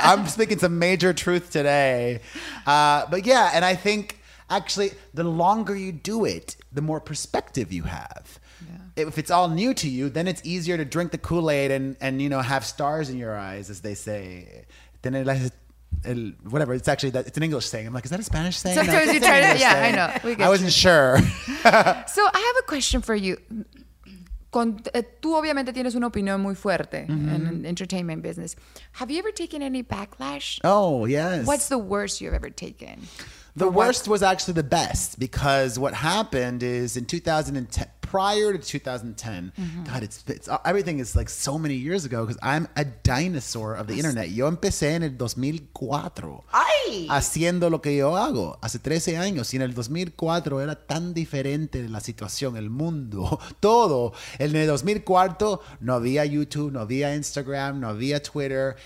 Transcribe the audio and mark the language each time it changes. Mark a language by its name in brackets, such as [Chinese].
[English] I'm speaking some major truth today. But yeah, and I think actually the longer you do it, the more perspective you have. If it's all new to you, then it's easier to drink the Kool-Aid and you know, have stars in your eyes, as they say. Then whatever, it's actually, it's an English saying. I'm like, is that a Spanish saying? Sometimes you try to, yeah, saying. I know. We get I wasn't you. Sure. So I have a question for you. [Spanish] Tú obviamente tienes una opinión muy fuerte [English] in entertainment business. Have you ever taken any backlash? Oh, yes. What's the worst you've ever taken? The worst was actually the best, because what happened is in 2010, prior to 2010, God, it's everything is like so many years ago, because I'm a dinosaur of the internet. [Spanish] Yo empecé en el 2004. ¡Ay! Haciendo lo que yo hago hace 13 años. Y en el 2004 era tan diferente la situación, el mundo, todo. En el 2004 no había YouTube, no había Instagram, no había Twitter.